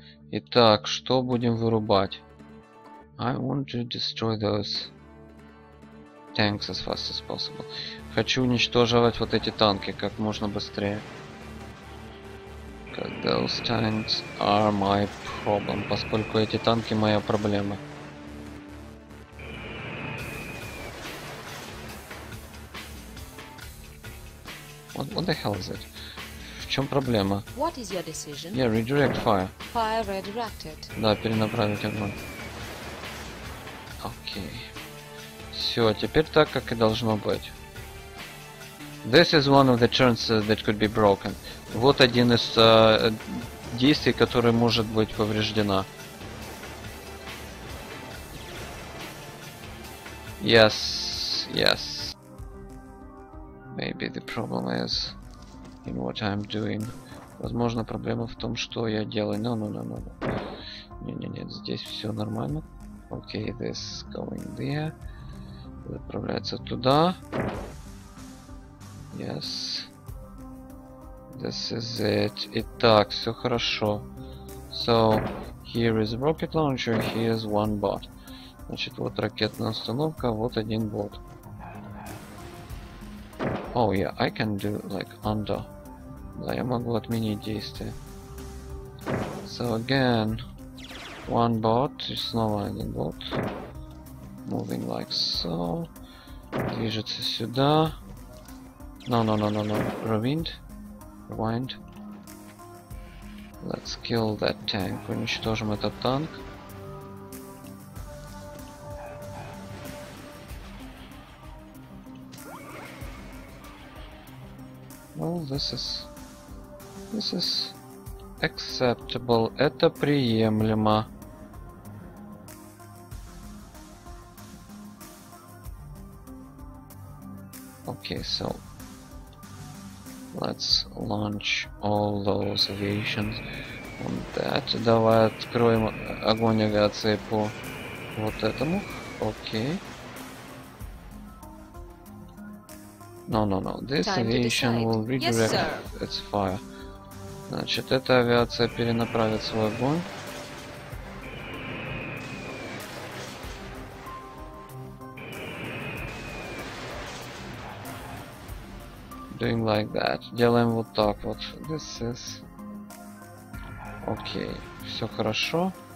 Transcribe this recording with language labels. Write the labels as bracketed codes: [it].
[ru] Итак, что будем вырубать? [en] I want to destroy those tanks as fast as possible. [ru] Хочу уничтожать вот эти танки как можно быстрее. [en] Because those tanks are my problem. [ru] Поскольку эти танки моя проблема. [en] What the hell is it? [ru] В чем проблема? [en] What is your decision? Yeah, redirect fire. Fire redirected. [ru] Да, перенаправить огонь. Окей. Все, теперь так, как и должно быть. [en] This is one of the turns that could be broken. [ru] Вот один из действий, которое может быть повреждено. [en] Yes, yes. Maybe the problem is in what I'm doing. [ru] Возможно, проблема в том, что я делаю. [en] No. [ru] Не-не-не, здесь все нормально. [en] Okay, this is going there. [ru] Отправляется туда. [en] Yes. This is it. [ru] Итак, все хорошо. [en] So, here is a rocket launcher, here is one bot. [ru] Значит, вот ракетная установка, вот один бот. [en] Oh yeah, I can do like under. [ru] Да, я могу отменить действие. [en] So again, one bot, [ru] и снова один бот. [en] Moving like so. [ru] Движется сюда. [en] No. Rewind. Let's kill that tank. [ru] Уничтожим этот танк. [en] Well, this is acceptable. [ru] Это приемлемо. [en] Okay, so let's launch all those aviations on that. [ru] Давай откроем огонь авиации по вот этому. [en] Okay. No. This time aviation will redirect its fire. [ru] Значит, эта авиация перенаправит свой огонь. [en] Doing like that. [ru] Делаем вот так вот. [en] This is... Okay. [ru] Все хорошо.